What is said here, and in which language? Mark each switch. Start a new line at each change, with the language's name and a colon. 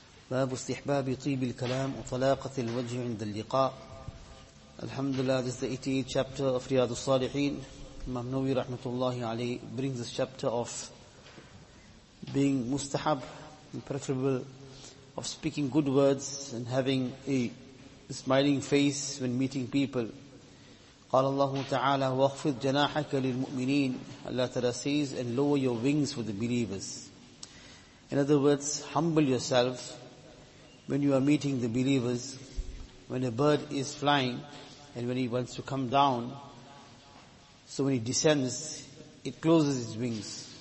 Arabic: باب استحباب طيب الكلام وطلاقة الوجه عند اللقاء. الحمد لله,
English: this is the 88th chapter of رياض الصالحين. Imam Nawawi rahmatullahi alayhi brings this chapter of being mustahab, preferable of speaking good words and having a smiling face when meeting people.
Arabic: قال الله تعالى واخفض جناحك للمؤمنين.
English: Allah Ta'ala says, and lower your wings for the believers. In other words, humble yourself when you are meeting the believers. When a bird is flying and when he wants to come down, so when he descends, it closes its wings.